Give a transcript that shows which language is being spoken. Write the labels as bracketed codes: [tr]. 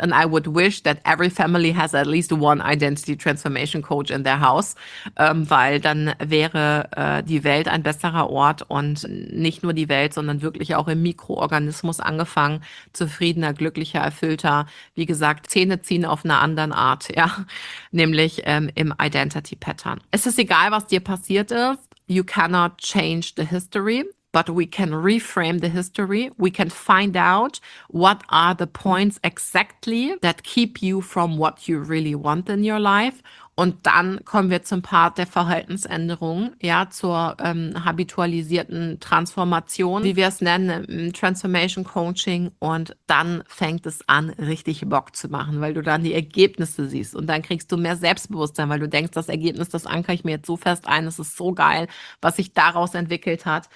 [en] And I would wish that every family has at least one Identity Transformation Coach in their house, [de] weil dann wäre die Welt ein besserer Ort und nicht nur die Welt, sondern wirklich auch im Mikroorganismus angefangen, zufriedener, glücklicher, erfüllter. Wie gesagt, Zähne ziehen auf einer anderen Art, ja, nämlich im Identity Pattern. Es ist egal, was dir passiert ist. [en] You cannot change the history, but we can reframe the history. We can find out what are the points exactly that keep you from what you really want in your life. [de] Und dann kommen wir zum Part der Verhaltensänderung, ja, zur habitualisierten Transformation, wie wir es nennen, Transformation Coaching. Und dann fängt es an, richtig Bock zu machen, weil du dann die Ergebnisse siehst. Und dann kriegst du mehr Selbstbewusstsein, weil du denkst, das Ergebnis, das ankere ich mir jetzt so fest ein, es ist so geil, was sich daraus entwickelt hat.